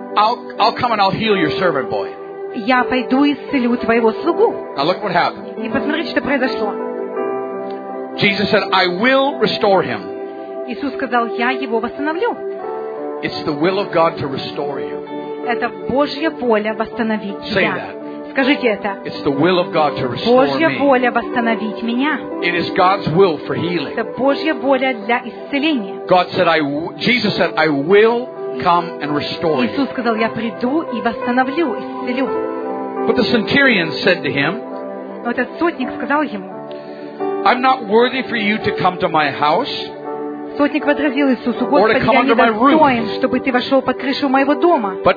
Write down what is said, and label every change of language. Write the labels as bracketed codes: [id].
[en] I'll come and I'll heal your servant boy. [ru] Я пойду и исцелю твоего слугу. [en] Now look what happened. [ru] И посмотри, что произошло. [en] Jesus said, "I will restore him." [ru] Иисус сказал, я его восстановлю. [en] It's the will of God to restore you. [ru] Это Божья воля восстановить тебя. [en] Say that. [ru] Скажите это. [en] It's the will of God to restore [ru] Божья воля восстановить меня. [en] It is God's will for healing. [ru] Это Божья воля для исцеления. [en] God said, Jesus said, I will come and restore you. [ru] Иисус сказал, я приду и восстановлю, исцелю. [en] But the centurion said to him, [ru] Но этот сотник сказал ему, [en] I'm not worthy for you to come to my house. [ru] Сотник возразил Иисусу, Господи, я не достоин, чтобы ты вошел под крышу моего дома.